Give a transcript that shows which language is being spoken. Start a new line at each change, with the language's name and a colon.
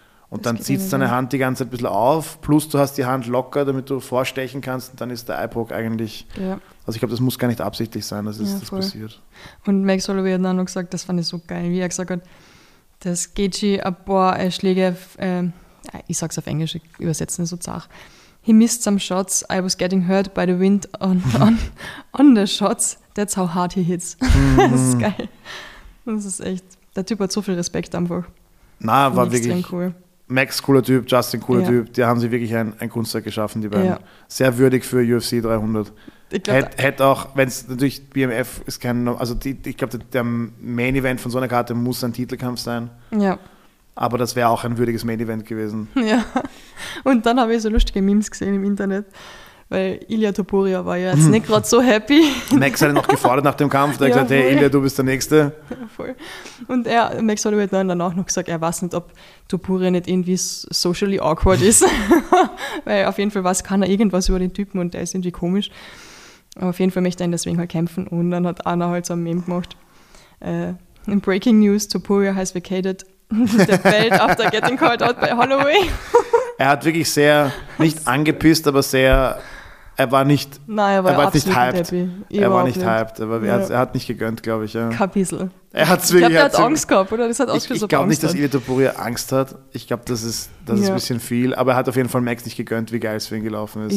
German: Und das dann zieht es deine Hand die ganze Zeit ein bisschen auf, plus du hast die Hand locker, damit du vorstechen kannst, und dann ist der Eyepoke eigentlich, also ich glaube, das muss gar nicht absichtlich sein, dass das passiert. Und Max Holloway hat dann noch gesagt, das fand ich so geil, wie er gesagt hat, das geht schon ein paar Schläge, ich sag's auf Englisch, übersetzen ist so zart.
English: He missed some shots, I was getting hurt by the wind on the shots, that's how hard he hits.
German: Das ist geil. Das ist echt, der Typ hat so viel Respekt einfach. Na, war nichts wirklich cool. Max, cooler Typ, Justin, cooler Typ, die haben sich wirklich ein Kunstwerk geschaffen, die beiden. Ja. Sehr würdig für UFC 300. Hätte auch, wenn es natürlich BMF ist kein, also ich glaube, der Main Event von so einer Karte muss ein Titelkampf sein. Ja. Aber das wäre auch ein würdiges Main Event gewesen. Ja. Und dann habe ich so lustige Memes gesehen im Internet, weil Ilya Topuria war ja jetzt nicht gerade so happy. Max hat ihn noch gefordert nach dem Kampf, der hat gesagt, voll. Hey Ilya, du bist der Nächste. Ja, voll. Und er, Max Holloway hat dann auch noch gesagt, er weiß nicht, ob Topuria nicht irgendwie
English: socially awkward
German: ist. Weil auf jeden Fall weiß keiner irgendwas über den Typen und der ist irgendwie komisch. Aber auf jeden Fall möchte er ihn deswegen halt kämpfen. Und dann hat Anna halt so ein Meme gemacht.
English: In Breaking News, Topuria has vacated the belt after getting called out by Holloway.
German: Er hat wirklich sehr, nicht angepisst, aber sehr, er war nicht, nein, er war nicht hyped. Er war nicht hyped, aber er hat nicht gegönnt, glaube ich. Ja. Kein bisschen. Er hat es wirklich. Ich glaube, er hat Angst gehabt, oder? Das hat ich glaube nicht, dass Ilya Topuria Angst hat. Ich glaube, das ist ein bisschen viel, aber er hat auf jeden Fall Max nicht gegönnt, wie geil es für ihn gelaufen ist.